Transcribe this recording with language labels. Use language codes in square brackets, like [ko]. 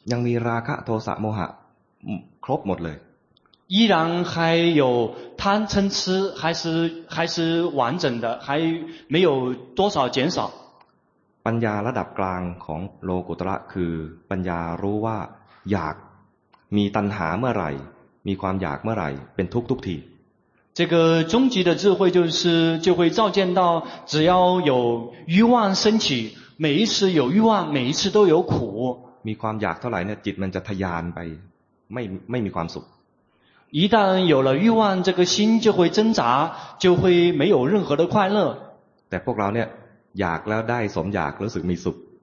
[th] ยังมีราคะโทสะโมหะครบหมดเลย [zh] 依然还有贪嗔痴，还是完整的，还没有多少减少。 [th] ปัญญาระดับกลางของโลกุตระคือปัญญารู้ว่าอยากมีตัณหาเมื่อไหร่มีความอยากเมื่อไหร่เป็นทุกข์ทุกที [zh] 这个终极的智慧就是就会照见到只要有欲望升起每一次有欲望每一次都有苦 [th] มีความอยากเท่าไหร่เนี่ยจิตมันจะทยานไปไม่มีความสุข [zh] 一旦有了欲望这个心就会挣扎就会没有任何的快乐 [th] แต่พวกเราเนี่ยอยากแล้วได้สมอยากรู้สึกมีสุข